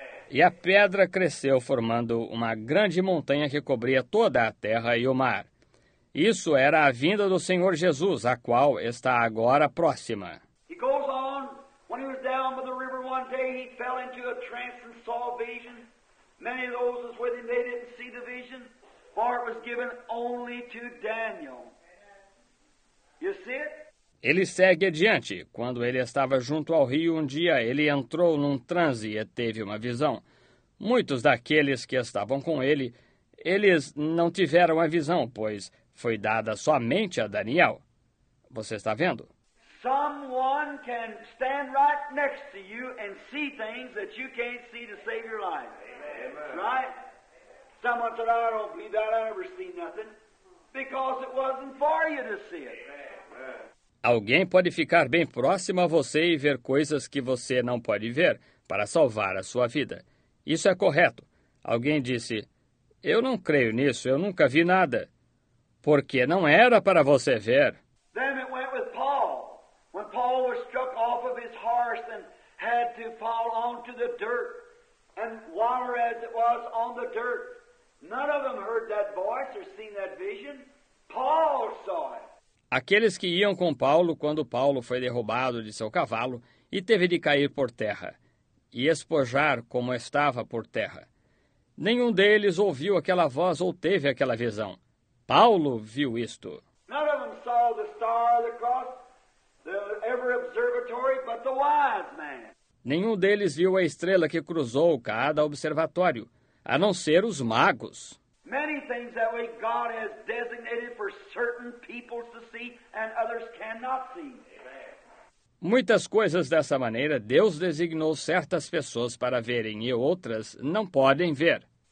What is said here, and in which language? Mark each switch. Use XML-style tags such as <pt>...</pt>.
<pt>E a pedra cresceu formando uma grande montanha que cobria toda a terra e o mar. Isso era a vinda do Senhor Jesus, a qual está agora próxima.</pt> <en>He goes on, when he was down by the river one day, he fell into a trance and saw a vision. Many of those with him, they didn't see the vision, for it was given only to Daniel. You see it?</en> <pt>Ele segue adiante. Quando ele estava junto ao rio um dia, ele entrou num transe e teve uma visão. Muitos daqueles que estavam com ele, eles não tiveram a visão, pois foi dada somente a Daniel. Você está vendo?</pt> <en>Someone can stand right next to you and see things that you can't see to save your life. Amen. Right? Someone said, I don't believe that. I never seen nothing. Because it wasn't for you to see it. Amen.</en> <pt>Alguém pode ficar bem próximo a você e ver coisas que você não pode ver para salvar a sua vida. Isso é correto. Alguém disse, eu não creio nisso. Eu nunca vi nada. Porque não era para você ver.</pt> <en>Then it went with Paul. When Paul was struck off of his horse and had to fall onto the dirt, and water as it was on the dirt, none of them heard that voice or seen that vision. Paul saw it.</en> <pt>Aqueles que iam com Paulo quando Paulo foi derrubado de seu cavalo e teve de cair por terra e espojar como estava por terra. Nenhum deles ouviu aquela voz ou teve aquela visão. Paulo viu isto.</pt> <en>None of them saw the star, the cross, the ever observatory, but the wise man.</en> <pt>Nenhum deles viu a estrela que cruzou cada observatório, a não ser os magos.</pt> <en>Many things that way God has designated for certain people to see and others cannot see. Amen.</en> <pt>Muitas coisas dessa maneira Deus designou certas pessoas para verem e outras não podem ver.</pt>